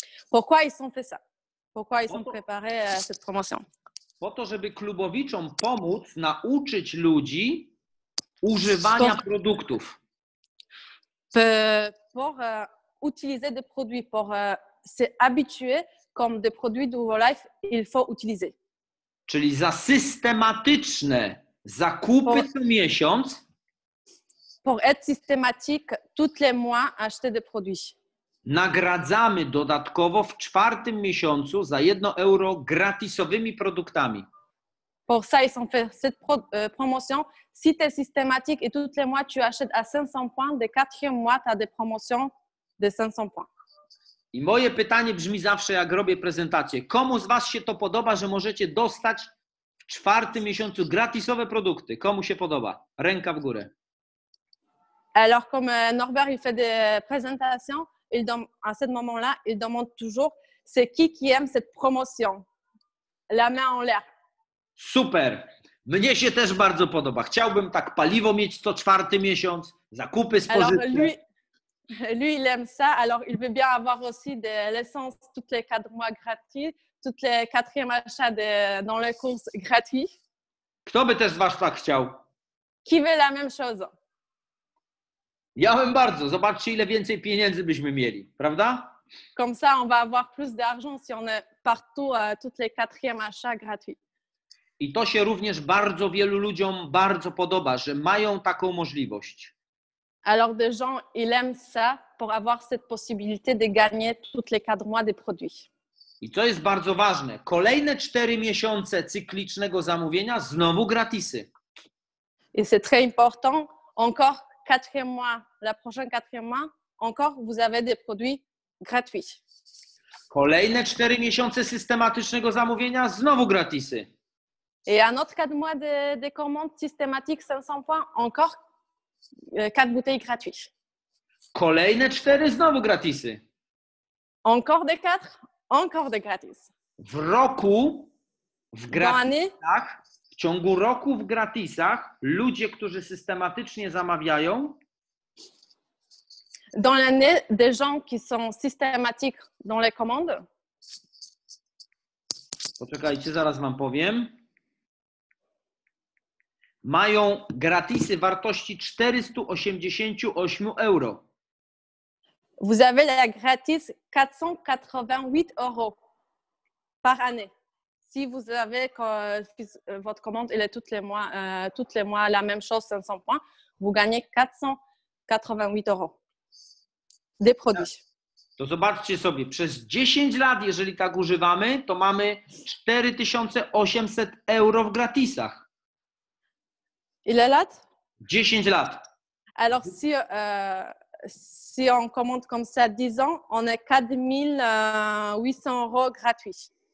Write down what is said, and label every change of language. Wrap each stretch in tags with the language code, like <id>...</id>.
<fr>Pourquoi ils ont fait ça? Pourquoi ils ont préparé cette promotion?</fr> <pl>Po to, żeby klubowiczom pomóc nauczyć ludzi używania produktów.</pl> <fr>Pour utiliser des produits, pour se habituer comme des produits Duo Life, il faut utiliser.</fr> <pl>Czyli za systematyczne zakupy co miesiąc.</pl> <fr>Pour être systématique, tous les mois acheter des produits.</fr> <pl>Nagradzamy dodatkowo w czwartym miesiącu za 1 euro gratisowymi produktami.</pl> <fr>Pour ça, ils ont fait cette promotion. Si tu es systématique et tous les mois tu achètes à 500 points, de quatrième mois, tu as des promotions de 500 points.</fr> <pl>I moje pytanie brzmi zawsze, jak robię prezentację. Komu z Was się to podoba, że możecie dostać w czwartym miesiącu gratisowe produkty? Komu się podoba? Ręka w górę.</pl> <fr>Alors, comme Norbert il fait des présentations, il à ce moment-là, il demande toujours, c'est qui aime cette promotion? La main en l'air. Super.</fr> <pl>Mnie się też bardzo podoba. Chciałbym tak paliwo mieć co czwarty miesiąc, zakupy spożywcze.</pl> <fr>Lui, il aime ça, alors il veut bien avoir aussi de l'essence toutes les 4 mois gratuit, toutes les 4e achats dans les courses gratuit.</fr> <pl>Kto by też z Was tak chciał?</pl> <fr>Qui veut la même chose?</fr> <pl>Ja bym bardzo. Zobaczcie, ile więcej pieniędzy byśmy mieli, prawda?</pl> <fr>Comme ça, on va avoir plus d'argent si on est partout toutes les 4e achats gratuit.</fr> <pl>I to się również bardzo wielu ludziom bardzo podoba, że mają taką możliwość.</pl> <fr>Alors des gens, ils aiment ça pour avoir cette possibilité de gagner toutes les 4 mois des produits.</fr> <pl>I to jest bardzo ważne. Kolejne 4 miesiące cyklicznego zamówienia, znowu gratisy.</pl> <fr>Et c'est très important, encore 4e mois, la prochaine 4e mois, encore vous avez des produits gratuits.</fr> <pl>Kolejne 4 miesiące systematycznego zamówienia, znowu gratisy.</pl> <fr>Et un autre 4 mois de commandes systématiques 500 points, encore 4 bouteilles gratuites.</fr> <pl>Kolejne 4, znowu gratisy.</pl> <fr>Encore des 4, encore des gratis.</fr> <pl>W roku, w gratisach, w ciągu roku w gratisach, ludzie, którzy systematycznie zamawiają.</pl> <fr>Dans l'année, des gens qui sont systématiques dans les commandes.</fr> <pl>Poczekajcie, zaraz wam powiem. Mają gratisy wartości 488 euro.</pl> <fr>vous avez la gratis 488 euros par année. Si vous avez votre commande, elle est tous les mois la même chose, 500 points, vous gagnez 488 euros des produits.</fr> <pl>To zobaczcie sobie, przez 10 lat, jeżeli tak używamy, to mamy 4800 euro w gratisach. Ile lat? 10 lat.</pl> <fr>Alors si, si on commande comme ça 10 ans, on est 4800 euros gratuits.</fr>